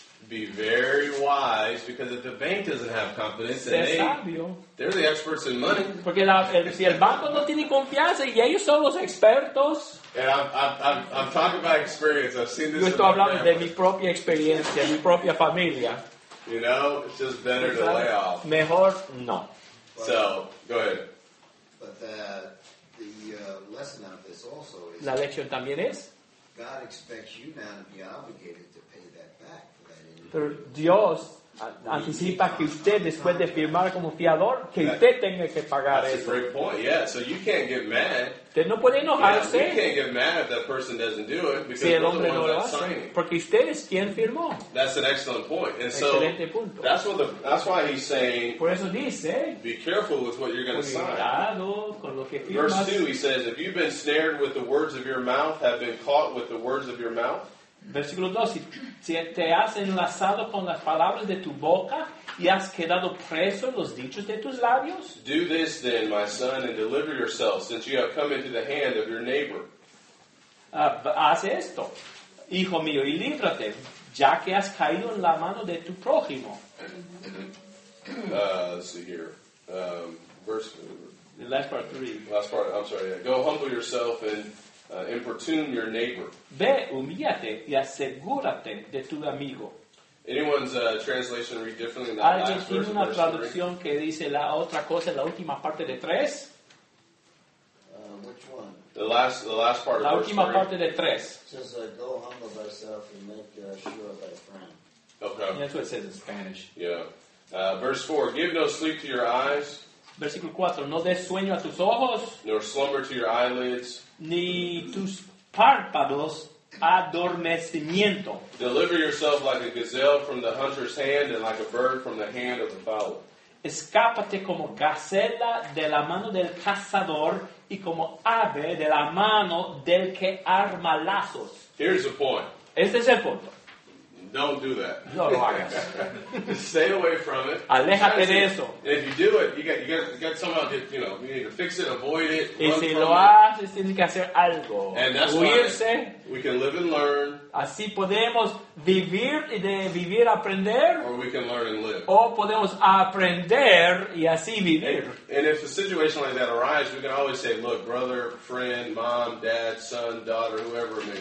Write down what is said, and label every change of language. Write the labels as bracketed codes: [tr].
[en] be very wise, because if the bank doesn't have confidence, they're the experts in money. [es] Porque si el banco no tiene confianza y ellos son los expertos. [en] And I'm talking about experience. I've seen this. [es] Yo estoy hablando de mi propia experiencia, mi propia familia. [en] You know, it's just better to lay off. [es] Mejor no. [en] So, go ahead. But the lesson out of this also is... [es] La lección también es... [en] God expects you now to be obligated to pay that back. For that [es] pero Dios anticipa que usted, después de firmar como fiador, que usted tenga que pagar eso. [en] That's a great point, so you can't get mad. [es] Usted no puede enojarse. [en] You can't get mad if that person doesn't do it, because [es] si el hombre no lo hace. Porque usted es quien firmó. [en] That's an excellent point. And [es] excelente punto. [en] That's why he's saying, [es] por eso dice, [en] be careful with what you're going to sign. [es] Cuidado con lo que firmas. [en] Verse 2, he says, if you've been snared with the words of your mouth, have been caught with the words of your mouth, [es] versículo 2, si te has enlazado con las palabras de tu boca y has quedado preso en los dichos de tus labios. [en] Do this then, my son, and deliver yourself, since you have come into the hand of your neighbor. [es] Haz esto, hijo mío, y líbrate, ya que has caído en la mano de tu prójimo. [en] Let's see here. The last part, 3. Last part, I'm sorry. Go humble yourself and... importune your neighbor. [es] Ve, humíllate y asegúrate de tu amigo. [en] Anyone's translation read differently than the last verse? [es] ¿Alguien tiene una traducción que dice la otra cosa, la última parte de 3? [en] Which one? The last part of [es] la última parte de 3. [en] Just go humble thyself and make sure thy friend. Okay. Yeah, that's what it says in Spanish. Yeah. Verse 4, give no sleep to your eyes. [es] Versículo 4, no des sueño a tus ojos, [en] nor slumber to your eyelids, [es] ni tus párpados adormecimiento. [en] Deliver yourself like a gazelle from the hunter's hand, and like a bird from the hand of the fowler. [es] Escápate como gacela de la mano del cazador, y como ave de la mano del que arma lazos. [en] Here's the point. [es] Este es el punto. [en] Don't do that. [es] No lo hagas. [en] Stay away from it. [es] Aléjate de eso. [en] And if you do it, you got somehow to, you know, you need to fix it, avoid it. [es] Y si lo haces, tienes que hacer algo. [en] And that's [es] huirse. [en] Why we can live and learn. [es] Así podemos vivir y de vivir aprender. [en] Or we can learn and live. [es] O podemos aprender y así vivir. [en] And if a situation like that arises, we can always say, look, brother, friend, mom, dad, son, daughter, whoever it may be.